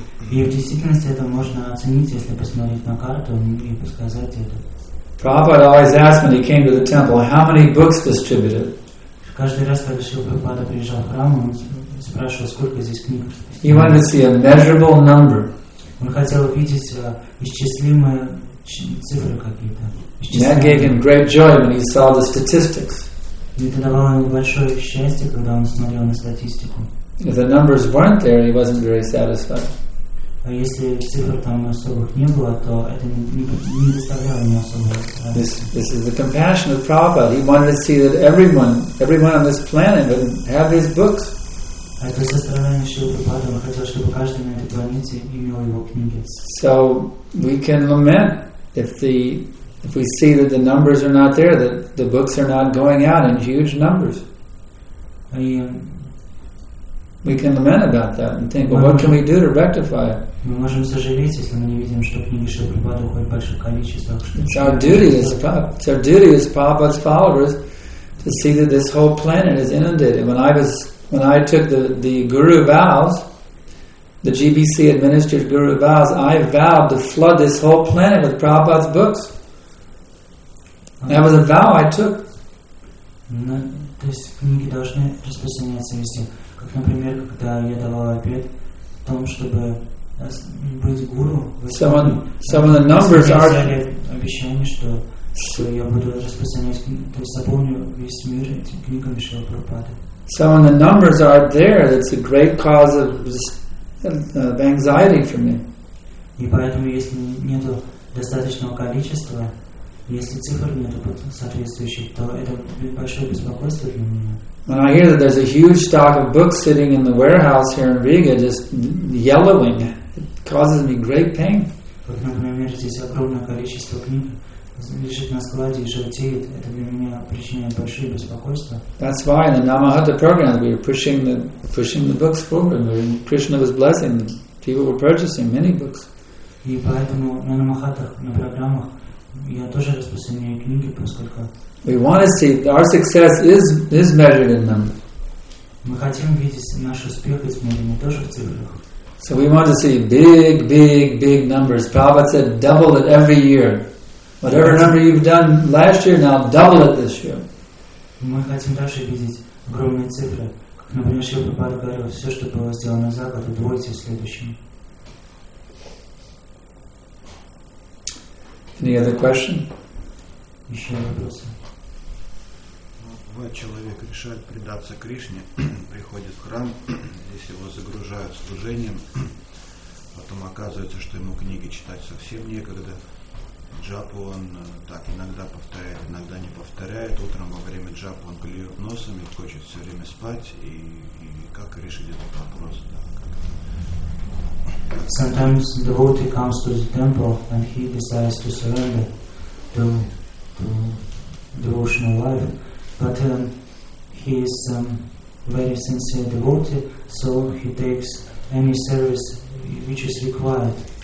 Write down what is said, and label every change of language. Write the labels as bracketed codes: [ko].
[ru] И в действительности это можно оценить, если посмотреть на карту и подсказать это. [en] Prabhupada always asked when he came to the temple, how many books distributed? [ru] Каждый раз, когда Шрила Прабхупада приезжал в храм, он спрашивал, сколько здесь книг. [en] He wanted to see a measurable number. [ru] Он хотел увидеть исчислимые цифры какие-то. [en] That gave him great joy when he saw the statistics. [ru] Это давало ему большое счастье, когда он смотрел на статистику. [en] If the numbers weren't there, he wasn't very satisfied. [ru] А если цифр там особых не было, то это не доставляло ему особого радости. [en] This is the compassion of Prabhupada. He wanted to see that everyone on this planet would have his books. [ru] Это со стороны Шрилы Прабхупады. Он хотел, чтобы каждый на этой планете имел его книги. [en] So we can lament if we see that the numbers are not there, that the books are not going out in huge numbers. We can lament about that and think, well, what can we do to rectify it? [ru] Мы можем сожалеть, если мы не видим, что книги Шрилы Прабхупады уходят в больших количествах. [en] It's our duty as Prabhupada's followers to see that this whole planet is inundated. When I took the Guru vows, the GBC administered Guru vows, I vowed to flood this whole planet with Prabhupada's books. That was a vow I took. [ru] То есть книги должны распространяться везде. Как, например, когда я давал обет о том, чтобы быть гуру. [en] Some of the numbers are. [ru] Я взял обещание, что я буду распространять, то есть заполню весь мир этими книгами Шрилы Прабхупады. [en] Some of the numbers are there. That's a great cause of anxiety for me. [ru] И поэтому, если нету достаточного количества, если цифр нету соответствующих, то это большое беспокойство для меня. [en] When I hear that there's a huge stock of books sitting in the warehouse here in Riga, just yellowing, it causes me great pain. [ru] Как, например, здесь огромное количество книг лежит на складе и желтеет, это для меня причиняет большое беспокойство. [en] That's why in the Namahata program we were pushing the books forward. When Krishna was blessing, people were purchasing many books. [ru] И поэтому на Намахатах, на программах я тоже распространяю книги, поскольку [en] we want to see our success is measured in numbers. [ru] Мы хотим видеть наш успех измеренный тоже в цифрах. [en] So we want to see big, big, big numbers. Prabhupada said, double it every year. Whatever number you've done last year, now double it this year. [ru] Мы хотим дальше видеть огромные цифры. Как, например, Шрила Прабхупада говорил, все, что было сделано за год, удвойте в следующем. [en] Any other question? [ru] Еще вопросы. Два человека решают предаться Кришне, приходят в храм, здесь его загружают служением, потом оказывается, что ему книги читать совсем некогда. Джапу он так иногда повторяет, иногда не повторяет. Утром во время джапу он клюет носом и хочет все время спать. И как решить этот вопрос? Да, [en] sometimes the devotee comes to the temple and he decides to surrender to devotional life. But he is a very sincere devotee, so he takes any service which is required.